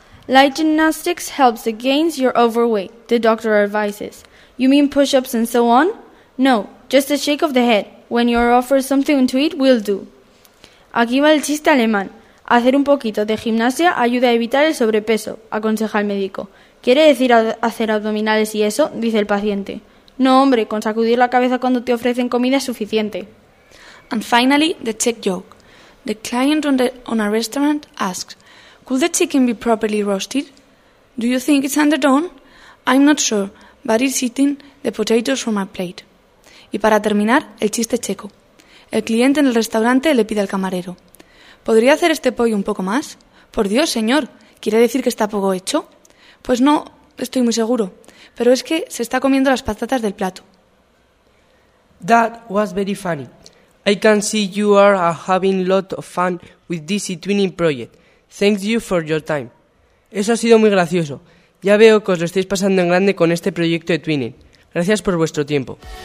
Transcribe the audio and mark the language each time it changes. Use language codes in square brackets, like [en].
[en] Light gymnastics helps against your overweight, the doctor advises. You mean push-ups and so on? No, just a shake of the head. When you're offered something to eat, will do. [es] Aquí va el chiste alemán. Hacer un poquito de gimnasia ayuda a evitar el sobrepeso, aconseja el médico. ¿Quiere decir hacer abdominales y eso? Dice el paciente. No, hombre, con sacudir la cabeza cuando te ofrecen comida es suficiente. [en] And finally, the Czech joke. The client on a restaurant asks, could the chicken be properly roasted? Do you think it's underdone? I'm not sure, but it's eating the potatoes from my plate. [es] Y para terminar, el chiste checo. El cliente en el restaurante le pide al camarero, ¿podría hacer este pollo un poco más? Por Dios, señor, ¿quiere decir que está poco hecho? Pues no, estoy muy seguro, pero es que se está comiendo las patatas del plato. [en] That was very funny. I can see you are having a lot of fun with this e-twinning project. Thank you for your time. [es] Eso ha sido muy gracioso. Ya veo que os lo estáis pasando en grande con este proyecto de twinning. Gracias por vuestro tiempo.